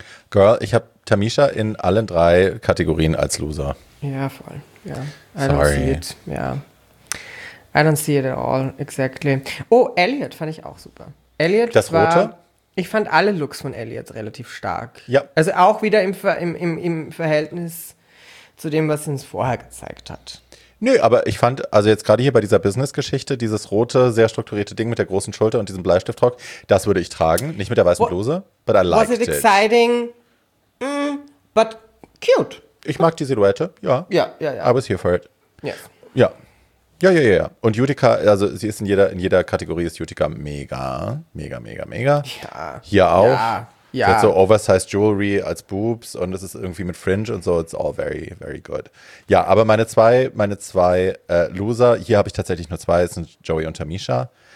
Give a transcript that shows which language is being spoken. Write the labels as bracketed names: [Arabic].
[German] Girl, ich habe Tamisha in allen drei Kategorien als Loser. Ja, voll. Ja. [English] Sorry. I don't see it. Ja. I don't see it at all, exactly. [German] Oh, Elliot fand ich auch super. Elliot das war, Rote? Ich fand alle Looks von Elliot relativ stark. Ja. Also auch wieder im Verhältnis zu dem, was sie uns vorher gezeigt hat. Nö, aber ich fand, also jetzt gerade hier bei dieser Business-Geschichte, dieses rote, sehr strukturierte Ding mit der großen Schulter und diesem Bleistiftrock, das würde ich tragen. Nicht mit der weißen Bluse, [English] but I liked it. Was it exciting, but cute. [German] Ich mag die Silhouette, ja. Ja, ja, ja. [English] I was here for it. Yes. [German] Ja. Ja, ja, ja, ja. Und Utica, also sie ist in jeder Kategorie ist Utica mega, mega, mega, mega. Ja. Hier auch. Ja, ja. Sie hat so oversized Jewelry als Boobs und es ist irgendwie mit Fringe und so. [English] It's all very, very good. [German] Ja, aber meine zwei Loser, hier habe ich tatsächlich nur zwei, sind Joey und Tamisha.